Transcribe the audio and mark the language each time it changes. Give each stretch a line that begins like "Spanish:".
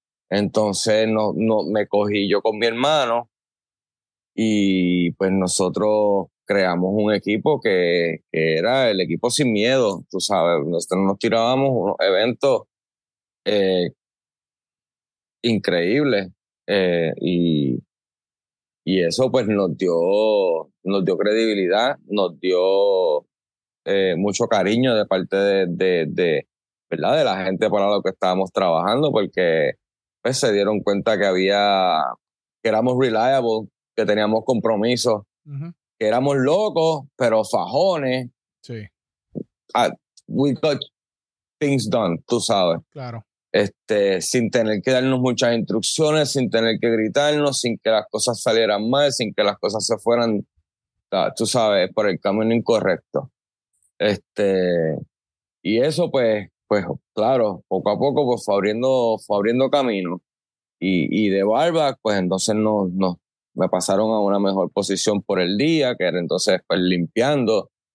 Spanish: Entonces no me cogí yo con mi hermano y pues nosotros creamos un equipo que era el equipo Sin Miedo, tú sabes, nosotros nos tirábamos unos eventos increíbles y eso pues nos dio credibilidad, nos dio mucho cariño de parte de ¿verdad? De la gente para lo que estábamos trabajando, porque pues se dieron cuenta que éramos reliable, que teníamos compromiso, uh-huh. que éramos locos, pero fajones. Sí.
English: We got things done,
Spanish: tú sabes. Claro. Sin tener que darnos muchas instrucciones, sin tener que gritarnos, sin que las cosas salieran mal, sin que las cosas se fueran, tú sabes, por el camino incorrecto. Y eso pues claro, poco a poco pues fue abriendo camino y de barback pues entonces no me pasaron a una mejor posición por el día, que era entonces pues limpiando.